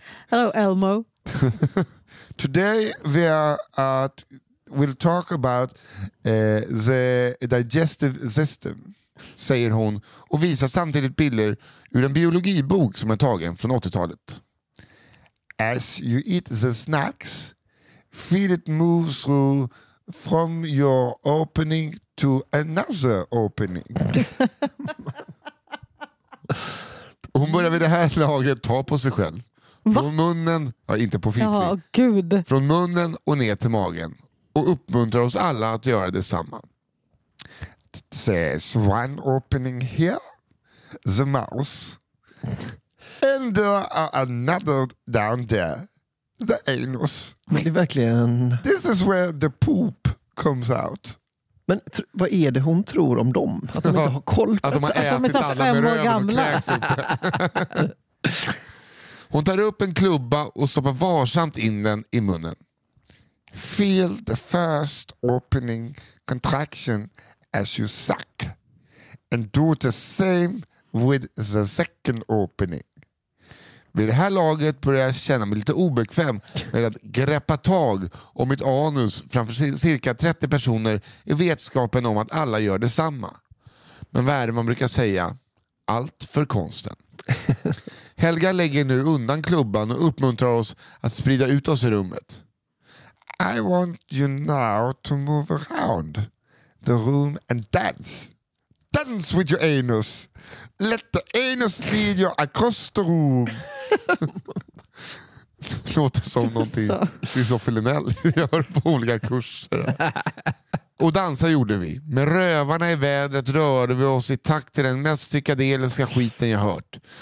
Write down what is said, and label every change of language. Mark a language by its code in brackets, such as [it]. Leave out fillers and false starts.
[en] Hello, Elmo. Today we are at... We'll talk about the digestive system, [sv] säger hon och visar samtidigt bilder ur en biologibok som är tagen från 80-talet. As you eat the snacks, feed it moves through from your opening to another opening. Hon börjar vid det här laget ta på sig själv. Från munnen, ja, inte på fiffi. Ja, gud. Från munnen och ner till magen. Och uppmuntrar oss alla att göra detsamma. [en] Says one opening here. The mouth. And another down there. The anus. [sv] Men det är verkligen... [en] This is where the poop comes out. [sv] Men vad är det hon tror om dem? Att de inte har koll på att de har ätit att de är alla med röven och kräks inte. Hon tar upp en klubba och stoppar varsamt in den i munnen. [en] Feel the first opening contraction as you suck. And do the same with the second opening. [sv] Vid det här laget börjar jag känna mig lite obekväm med att greppa tag om mitt anus framför cirka 30 personer i vetskapen om att alla gör detsamma. Men vad är det man brukar säga? Allt för konsten. Helga lägger nu undan klubban och uppmuntrar oss att sprida ut oss i rummet. [en] I want you now to move around the room and dance. Dance with your anus. Let the anus lead you across the room. [sv] Låter som någonting Christoffer gör på olika kurser. Och dansa gjorde vi. Med rövarna i vädret rörde vi oss i takt till den mest psykedeliska skiten jag hört.